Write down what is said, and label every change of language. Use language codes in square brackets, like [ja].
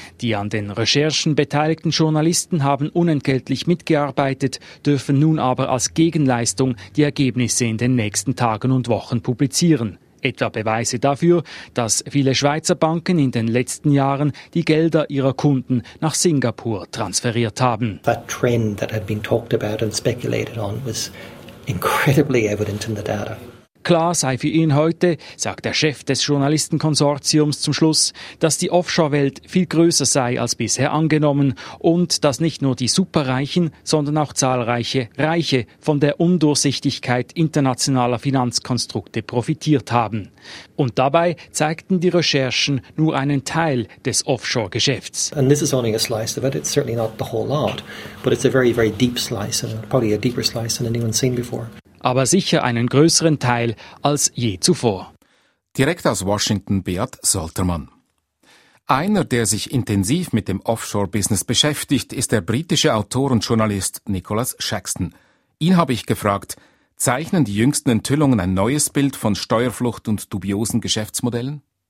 [de] Die an den Recherchen beteiligten Journalisten haben unentgeltlich mitgearbeitet, dürfen nun aber als Gegenleistung die Ergebnisse in den nächsten Tagen und Wochen publizieren. Etwa Beweise dafür, dass viele Schweizer Banken in den letzten Jahren die Gelder ihrer Kunden nach Singapur transferiert haben. [en] That trend that had been talked about and speculated on was incredibly evident in the data. [de] Klar sei für ihn heute, sagt der Chef des Journalistenkonsortiums zum Schluss, dass die Offshore-Welt viel größer sei als bisher angenommen und dass nicht nur die Superreichen, sondern auch zahlreiche Reiche von der Undurchsichtigkeit internationaler Finanzkonstrukte profitiert haben. Und dabei zeigten die Recherchen nur einen Teil des Offshore-Geschäfts. [en] And this is only a slice of it, it's certainly not the whole lot, but it's a very, very deep slice and probably a deeper slice than anyone's seen before. [de] Aber sicher einen größeren Teil als je zuvor. Direkt aus Washington, Beat Soltermann. Einer, der sich intensiv mit dem Offshore-Business beschäftigt, ist der britische Autor und Journalist Nicholas Shackston. Ihn habe ich gefragt, zeichnen die jüngsten Enthüllungen ein neues Bild von Steuerflucht und dubiosen Geschäftsmodellen?